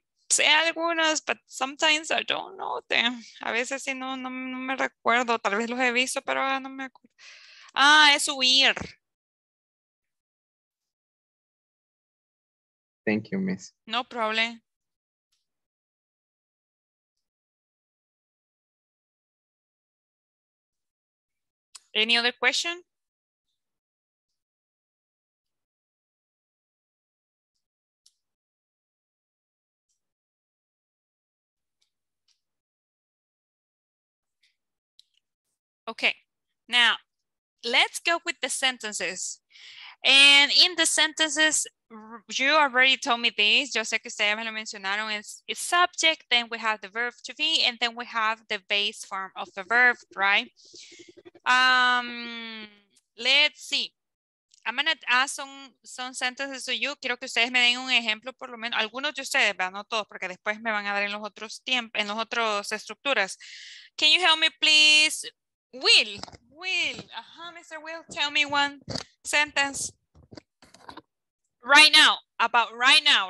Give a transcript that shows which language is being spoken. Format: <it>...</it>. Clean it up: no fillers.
<es>Sé algunos,</es> <en>but sometimes I don't know them.</en> <es>A veces sí, no me recuerdo. Tal vez los he visto, pero no me acuerdo. Ah, es huir.</es> <en>Thank you, miss. No problem. Any other question? Okay, now let's go with the sentences. And in the sentences, you already told me this,</en> <es>yo sé que ustedes me lo mencionaron,</es> <en>it's subject, then we have the verb to be, and then we have the base form of the verb, right? Let's see. I'm going to ask some sentences to you.</en> <es>Quiero que ustedes me den un ejemplo, por lo menos, algunos de ustedes, ¿verdad? No todos, porque después me van a dar en los otros tiempos, en los otros estructuras.</es> <en>Can you help me, please? Will. Ajá, Mr. Will, tell me one sentence. Right now, about right now.</en>